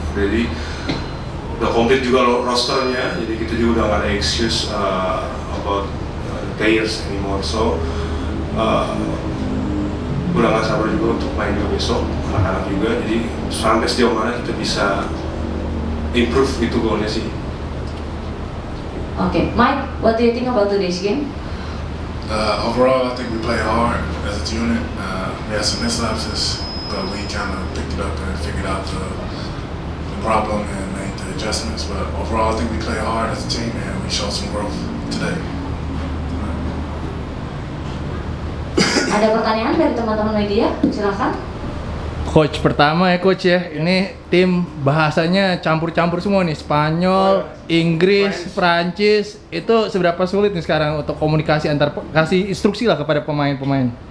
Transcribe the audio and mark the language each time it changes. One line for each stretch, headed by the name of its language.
Indonesian: Jadi udah komplit juga rosternya, jadi kita juga udah gak ada
English: excuse about players anymore.
Indonesian: So udah gak sabar juga untuk main juga besok, anak-anak juga. Jadi sampai sejauh mana kita bisa improve itu goalnya sih.
English: Okay, Mike, what do you think about today's game? Overall, I think we play hard as a unit. We had some mislapses, but we kind of picked it up and figured out the problem and made the adjustments. But overall, I think we play hard as a team and we showed some growth today.
Indonesian: Ada pertanyaan dari teman-teman media? Silakan. Coach pertama ya coach ya, ini tim bahasanya campur-campur semua nih, Spanyol, Inggris, Prancis. Itu seberapa sulit nih sekarang untuk komunikasi antar, kasih instruksi lah kepada pemain-pemain?